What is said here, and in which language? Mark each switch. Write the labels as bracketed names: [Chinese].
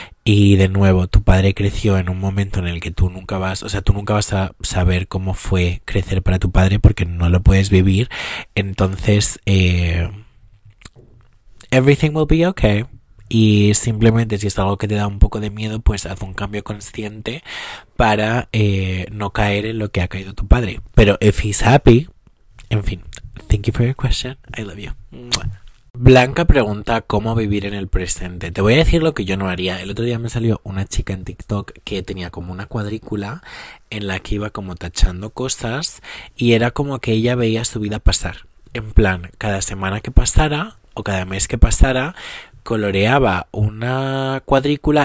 [Spanish] Y de nuevo, tu padre creció en un momento en el que tú nunca vas, o sea, tú nunca vas a saber cómo fue crecer para tu padre porque no lo puedes vivir. Entonces, [English] everything will be okay. [Spanish] Y simplemente si es algo que te da un poco de miedo, pues haz un cambio consciente para no caer en lo que ha caído tu padre. Pero [English] if he's happy, [Spanish] en fin, [English] thank you for your question. I love you. [Spanish] Blanca pregunta cómo vivir en el presente. Te voy a decir lo que yo no haría. El otro día me salió una chica en TikTok que tenía como una cuadrícula en la que iba como tachando cosas y era como que ella veía su vida pasar. En plan, cada semana que pasara o cada mes que pasara, coloreaba una cuadrícula.